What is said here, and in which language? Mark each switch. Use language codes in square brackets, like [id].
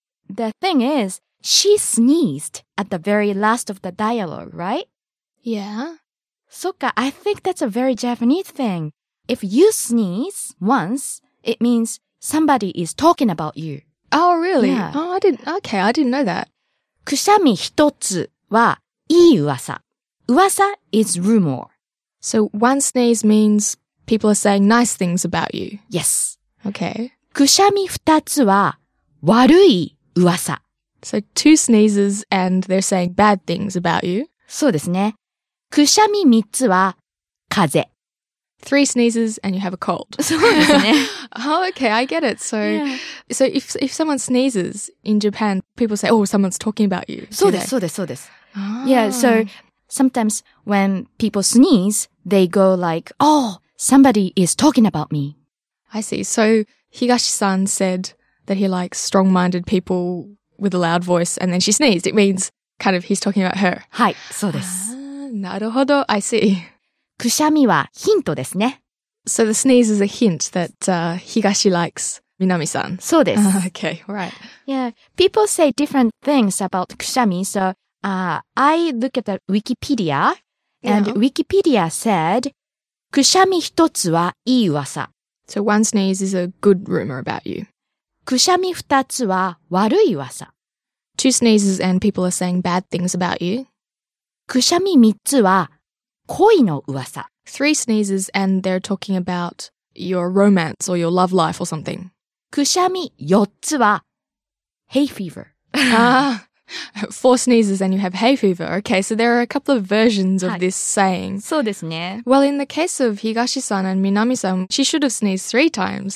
[en] The thing is, she sneezed at the very last of the dialogue, right? Yeah. [ja] そっか、 [en] I think that's a very Japanese thing. If you sneeze once, it means somebody is talking about you. Oh, really? Yeah. Oh, I didn't know that. [ja] くしゃみ一つはいい噂。 [en] 噂 is rumor. So one sneeze means people are saying nice things about you. Yes. Okay. くしゃみ二つは悪い噂。 So two sneezes and they're saying bad things about you. [ja] そうですね。くしゃみ三つは風邪。 [en] Three sneezes and you have a cold. [ja] そうですね。 [en] Oh, okay, I get it. So,、yeah. so if someone sneezes in Japan, people say, oh, someone's talking about you. [ja] そうです、そうです、そうです。 [en] Oh. Yeah, so sometimes when people sneeze, they go like, oh, somebody is talking about me. I see. So Higashi-san said that he likes strong-minded people with a loud voice and then she sneezed. It means... Kind of, he's talking about her. [ja] はい、そうです。なるほど、 [en] I see. [ja] くしゃみはヒントですね。 [en] So the sneeze is a hint that Higashi likes Minami-san. [ja] そうです。 [en] Okay, right. Yeah, people say different things about くしゃみ.So I look at the Wikipedia, and yeah. Wikipedia said, [ja] くしゃみ一つはいい噂. [en] So one sneeze is a good rumor about you. [ja] くしゃみ二つは悪い噂。 [en] Two sneezes and people are saying bad things about you. [ja] くしゃみ三つは恋の噂。 [en] Three sneezes and they're talking about your romance or your love life or something. [ja] くしゃみ四つは [en] hay fever. Four sneezes and you have hay fever. Okay, so there are a couple of versions of、 [ja] はい、 [en] this saying. [ja] そうですね。 [en] Well, in the case of Higashi-san and Minami-san, she should have sneezed three times.